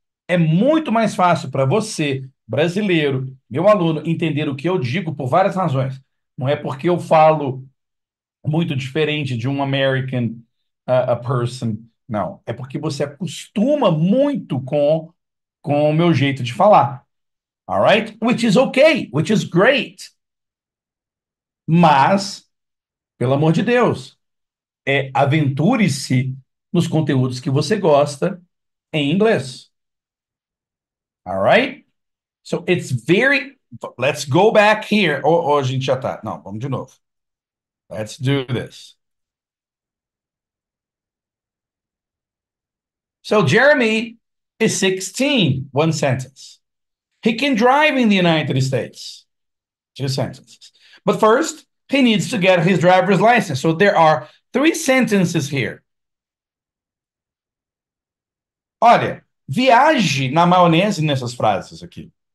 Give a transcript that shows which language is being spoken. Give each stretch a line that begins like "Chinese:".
Portuguese: É muito mais fácil para você, brasileiro, meu aluno, entender o que eu digo por várias razões. Não é porque eu falo muito diferente de um American, a person, não. É porque você acostuma muito com o meu jeito de falar.
English: All right? Which is okay, which is great.
Portuguese: Mas, pelo amor de Deus, aventure-se nos conteúdos que você gosta em inglês.
English: All right? So it's very. Let's go back here.
Portuguese: Ou a gente já tá. Não, vamos de novo.
English: Let's do this. So Jeremy is 16. One sentence. He can drive in the United States. Two sentences. But first, he needs to get his driver's license. So there are three sentences here.
Portuguese: Olha, viaje na maionese nessas frases aqui.